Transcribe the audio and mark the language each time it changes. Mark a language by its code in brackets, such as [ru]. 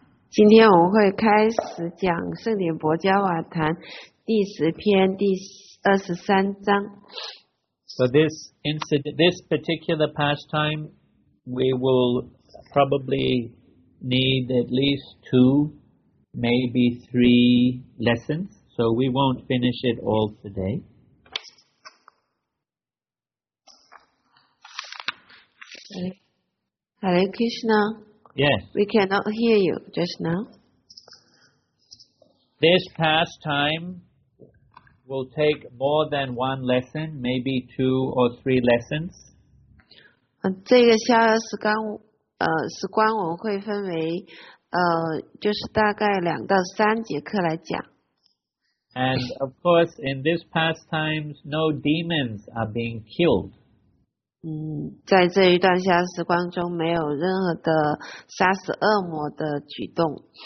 [zh] 今天我们会开始讲圣典薄伽瓦坛第十篇第二十三章。 [en] So this incident, this particular pastime, we will probably need at least two, maybe three lessons. So we won't finish it all today. 嗯 ，Hare Krishna. Yes. We cannot hear you just now. This pastime will take more than one lesson, maybe two or three lessons. [zh] 嗯，这个消遥时光，时光我们会分为，就是大概两到三节课来讲。 [en] And of course, in this pastimes, no demons are being killed. [zh] 在这一段消时光中，没有任何的杀死恶魔的举动。